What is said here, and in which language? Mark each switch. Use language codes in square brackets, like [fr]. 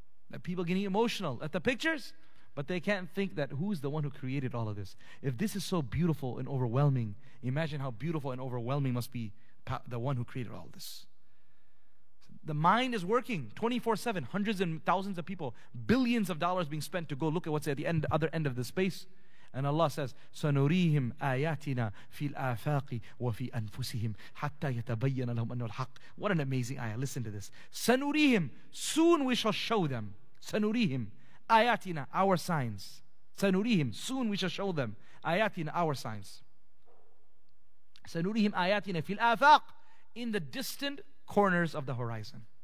[en] That people are getting emotional at the pictures, but they can't think that who's the one who created all of this. If this is so beautiful and overwhelming, imagine how beautiful and overwhelming must be the one who created all this. The mind is working 24/7, hundreds and thousands of people, billions of dollars being spent to go look at what's at the end, other end of the space. [ar] And Allah says, سَنُرِيهِمْ آيَاتِنَا فِي الْآفَاقِ وَفِي أَنفُسِهِمْ حَتَّى يَتَبَيَّنَ لَهُمْ أَنُّ الْحَقِّ. [en] What an amazing ayah. Listen to this. [ar] سَنُرِيهِمْ, [en] soon we shall show them. [ar] سَنُرِيهِمْ آيَاتِنَا, [en] our signs. [ar] سَنُرِيهِمْ, [en] soon we shall show them. [ar] آيَاتِنَا, [en] our signs. [ar] سَنُرِيهِمْ آيَاتِنَا فِي الْآفَاقِ, [en] in the distant corners of the horizon.